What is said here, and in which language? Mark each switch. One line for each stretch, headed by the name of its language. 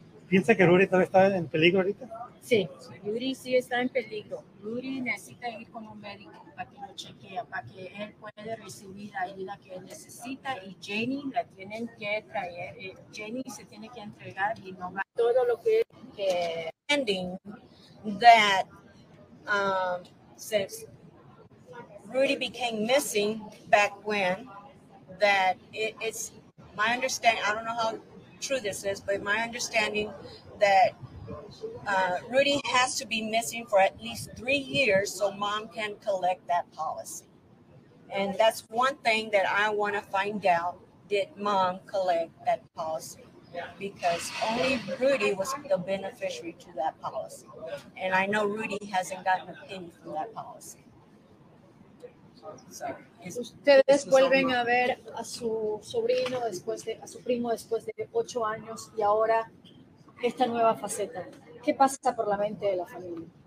Spanish: ¿Piensa que Rudy todavía está en peligro ahorita? Sí, Rudy sí está en peligro. Rudy necesita ir con un médico para que lo chequee, para que él pueda recibir la ayuda que él necesita. Y Jenny la tienen que traer. Jenny se tiene que entregar y no va todo lo que es
English: pending that since Rudy became missing back when, that it's my understanding, I don't know how true this is, but my understanding that Rudy has to be missing for at least 3 years so mom can collect that policy. And that's one thing that I want to find out, did mom collect that policy? Because only Rudy was the beneficiary to that policy. And I know Rudy hasn't gotten a penny from that policy.
Spanish: So, ustedes vuelven a ver a su sobrino después de a su primo después de 8 años y ahora esta nueva faceta. ¿Qué pasa por la mente de la familia?